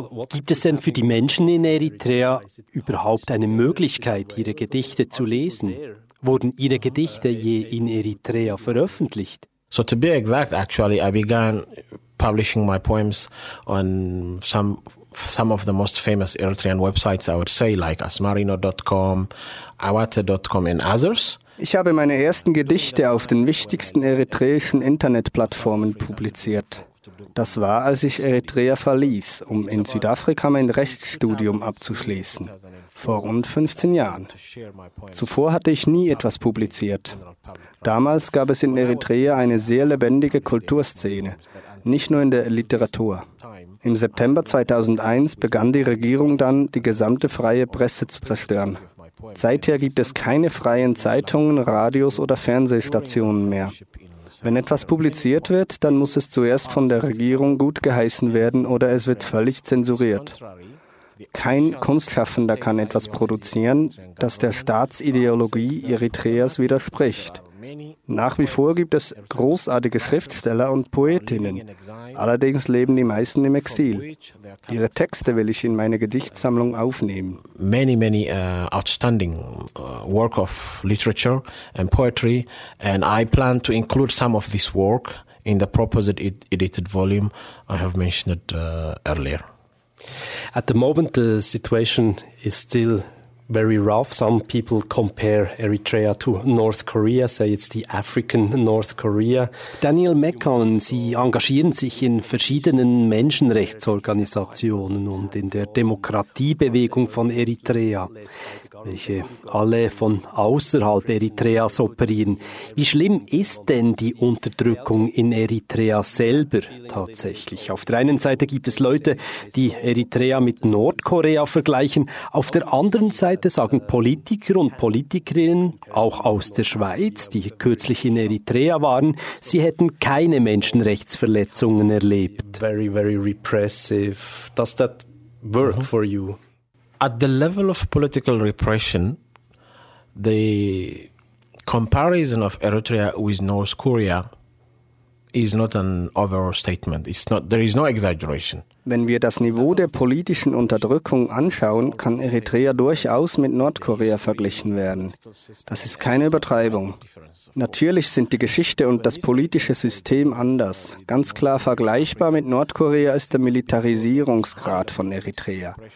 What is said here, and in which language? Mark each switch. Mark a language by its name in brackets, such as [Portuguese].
[German] Gibt es denn für die Menschen in Eritrea überhaupt eine Möglichkeit, ihre Gedichte zu lesen? Wurden ihre Gedichte je in Eritrea veröffentlicht? [English] So to be exact, actually, I began publishing my poems on some of the most famous Eritrean websites, I would say, like asmarino.com, awate.com and others. [German] Ich habe meine ersten Gedichte auf den wichtigsten eritreischen Internetplattformen publiziert. Das war, als ich Eritrea verließ, um in Südafrika mein Rechtsstudium abzuschließen, vor rund 15 Jahren. Zuvor hatte ich nie etwas publiziert. Damals gab es in Eritrea eine sehr lebendige Kulturszene, nicht nur in der Literatur. Im September 2001 begann die Regierung dann, die gesamte freie Presse zu zerstören. Seither gibt es keine freien Zeitungen, Radios oder Fernsehstationen mehr. Wenn etwas publiziert wird, dann muss es zuerst von der Regierung gutgeheißen werden oder es wird völlig zensuriert. Kein Kunstschaffender kann etwas produzieren, das der Staatsideologie Eritreas widerspricht. Nach wie vor gibt es großartige Schriftsteller und Poetinnen, allerdings leben die meisten im Exil. Ihre Texte will ich in meine Gedichtsammlung aufnehmen. [English] Many, many outstanding work of literature and poetry, and I plan to include some of this work in the proposed edited volume I have mentioned earlier. At the moment, the situation is still very rough. Some people compare Eritrea to North Korea, say it's the African North Korea. [German] Daniel Mekon, Sie engagieren sich in verschiedenen Menschenrechtsorganisationen und in der Demokratiebewegung von Eritrea, welche alle von außerhalb Eritreas operieren. Wie schlimm ist denn die Unterdrückung in Eritrea selber tatsächlich? Auf der einen Seite gibt es Leute, die Eritrea mit Nordkorea vergleichen, auf der anderen Seite sagen Politiker und Politikerinnen, auch aus der Schweiz, die kürzlich in Eritrea waren, sie hätten keine Menschenrechtsverletzungen erlebt. [English] Very, very repressive. Does that work for you? At the level of political repression, the comparison of Eritrea with North Korea is not an overall statement. It's not, there is no exaggeration. [German] Wenn wir das Niveau der politischen Unterdrückung anschauen, kann Eritrea durchaus mit Nordkorea verglichen werden. Das ist keine Übertreibung. Natürlich sind die Geschichte und das politische System anders. Ganz klar vergleichbar mit Nordkorea ist der Militarisierungsgrad von Eritrea.